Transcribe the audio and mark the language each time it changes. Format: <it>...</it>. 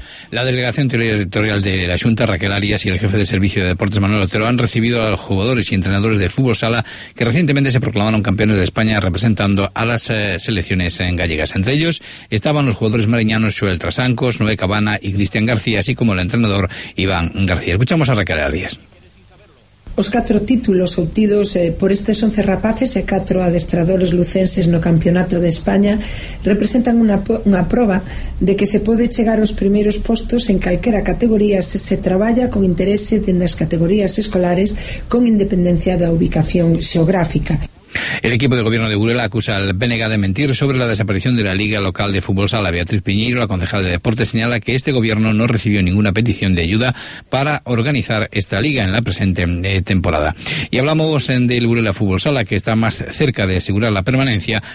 <es>La delegación territorial de la Xunta, Raquel Arias, y el jefe de servicio de deportes, Manuel Otero, han recibido a los jugadores y entrenadores de fútbol sala que recientemente se proclamaron campeones de España representando a las selecciones en gallegas. Entre ellos estaban los jugadores mariñanos Xoel Trasancos, Noé Cabana y Cristian García, así como el entrenador Iván García. Escuchamos a Raquel Arias.</es> <gl>Os 4 títulos obtidos por estes 11 rapaces e 4 adestradores lucenses no campeonato de España representan unha proba de que se pode chegar aos primeiros postos en calquera categoría se traballa con interese dende as categorías escolares con independencia da ubicación xeográfica.</gl> <es>El equipo de gobierno de Burela acusa al BNG de mentir sobre la desaparición de la Liga Local de Fútbol Sala. Beatriz Piñeiro, la concejal de deporte, señala que este gobierno no recibió ninguna petición de ayuda para organizar esta liga en la presente temporada. Y hablamos del Burela Fútbol Sala, que está más cerca de asegurar la permanencia.</es>